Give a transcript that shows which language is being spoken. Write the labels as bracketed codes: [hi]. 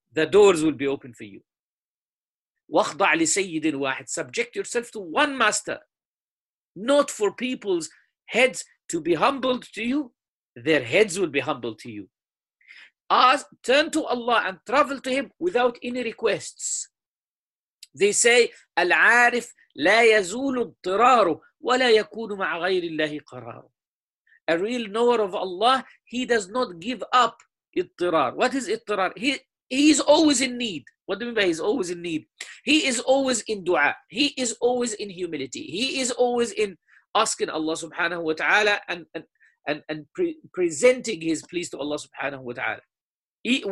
[en] The doors will be open for you. [ar] وَاخْضَعْ لِسَيِّدٍ وَاحِدٍ. [en] Subject yourself to one master. Not for people's heads to be humbled to you. Their heads will be humbled to you. Turn to Allah and travel to him without any requests. They say, [ar] العارف لا يزول اضطراره ولا يكون مع غير الله قرار. [en] A real knower of Allah, he does not give up اضطرار. What is اضطرار? He is always in need. What do you mean by he's always in need? He is always in dua. He is always in humility. He is always in asking Allah subhanahu wa ta'ala and presenting his pleas to Allah subhanahu wa ta'ala.